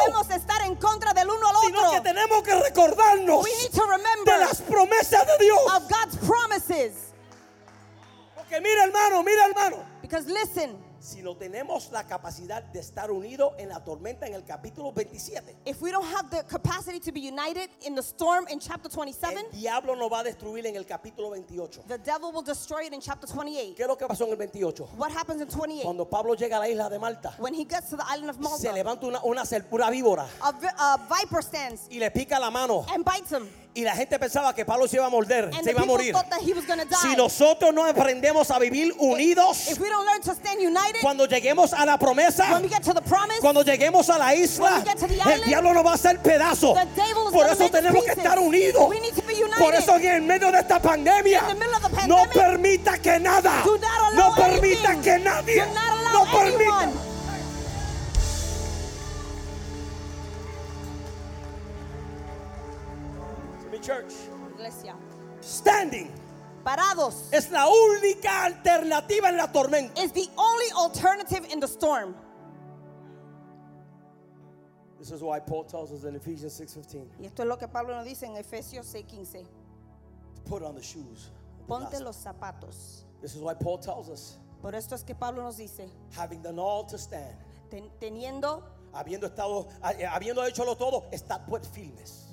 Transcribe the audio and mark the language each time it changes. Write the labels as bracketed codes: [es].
[es] No podemos estar en contra del uno al otro. Sino que tenemos que recorrer. acordarnos [en] we need to remember [es] de las promesas de Dios. [en] Of God's promises. [es] Porque mira, hermano, mira, hermano. [en] Because listen. [es] Si no tenemos la capacidad de estar unidos en la tormenta en el capítulo 27. [en] If we don't have the capacity to be united in the storm in chapter 27. [es] El diablo nos va a destruir en el capítulo 28. [en] The devil will destroy it in chapter 28. [es] ¿Qué es lo que pasó en el 28? [en] What happens in 28? [es] Cuando Pablo llega a la isla de Malta. [en] When he gets to the island of Malta. [es] Se levanta una serpura víbora. [en] A viper stands. [es] Y le pica la mano. [en] And bites him. [es] Y la gente pensaba que Pablo se iba a morder, [en] and [es] se iba a morir. [en] Die, [es] si nosotros no aprendemos a vivir unidos, [en] if we don't learn to stand united, [es] cuando lleguemos a la promesa, [en] when we get to the promise, [es] cuando lleguemos a la isla, [en] when we get to the island, [es] el diablo nos va a hacer pedazo. Por eso tenemos [en] pieces. [es] Que estar unidos. [en] We need to be united. [es] Por eso en medio de esta pandemia, [en] in the middle of the pandemic, [es] no permita que nada, [en] do not allow [es] no permita [en] anything. [es] Que nadie, [en] do not allow [es] no [en] anyone. [es] Permita. [en] Church. [es] Iglesia. [en] Standing. [es] Parados. Es la única alternativa en la tormenta. [en] Is the only alternative in the storm. This is why Paul tells us in Ephesians 6:15. [es] Y esto es lo que Pablo nos dice en Efesios 6:15. [en] Put on the shoes. [es] Ponte los zapatos. [en] This is why Paul tells us. [es] Por esto es que Pablo nos dice. [en] Having done all to stand. [es] Teniendo. Habiendo estado, habiendo hecho lo todo, estar put firmes.